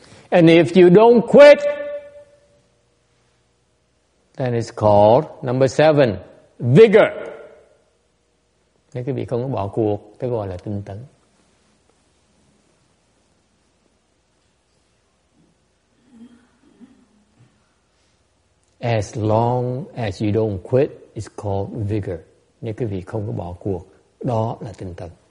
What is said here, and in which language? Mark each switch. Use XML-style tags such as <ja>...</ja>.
<en>And if you don't quit, then it's called number 7, vigor.</en> <vi>Nếu quý vị không có bỏ cuộc, thì gọi là tinh tấn.</vi> <en>As long as you don't quit, it's called vigor.</en> <vi>Nếu quý vị không có bỏ cuộc, đó là tinh tấn.</vi>